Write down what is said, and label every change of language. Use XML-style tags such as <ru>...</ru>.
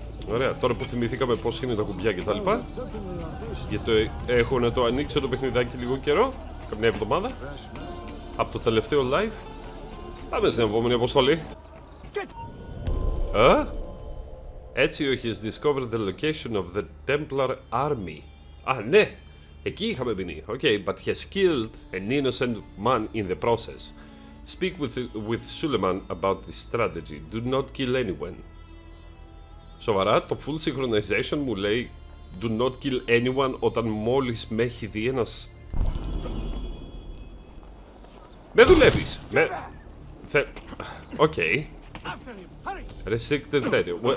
<el>Ωραία, τώρα που θυμηθήκαμε πώς είναι τα κουμπιά και τα λοιπά. Γιατί έχω να το ανοίξω το παιχνιδάκι λίγο καιρό. Καμιά εβδομάδα. Από το τελευταίο live. Πάμε στην επόμενη αποστολή. Α? Έτσι ο έχεις</el> <en>discovered the location of the Templar army.</en> <el>Α, ναι. Εκεί είχαμε μείνει.</el> <en>Okay, but he has killed an innocent man in the process. Speak with Suleiman about this strategy. Do not kill anyone.</en> <el>Σοβαρά, το full synchronization μου λέει</el> <en>do not kill anyone</en> <el>όταν μόλις με έχει δει ένας... Με δουλεύεις! Με... Θε... Οκ. Restricted area.</el>